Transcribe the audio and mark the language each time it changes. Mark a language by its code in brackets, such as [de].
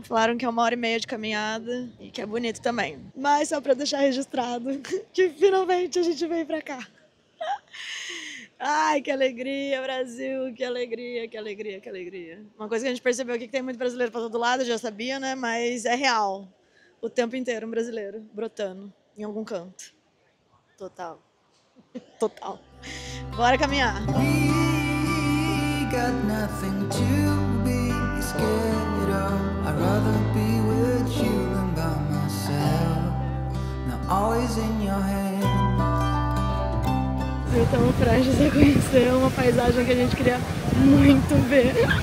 [pt] Falaram que é 1h30 de caminhada e que é bonito também. Mas só pra deixar registrado que finalmente a gente veio pra cá. Ai, que alegria, Brasil, que alegria, que alegria, que alegria. Uma coisa que a gente percebeu aqui que tem muito brasileiro pra todo lado, já sabia, né? Mas é real, o tempo inteiro um brasileiro brotando em algum canto. Total. Total. Bora caminhar. [en] We got nothing to be scared of. I'd rather be with you than by myself. Now always in your hands. [pt] Estamos prestes a conhecer uma paisagem que a gente queria muito ver.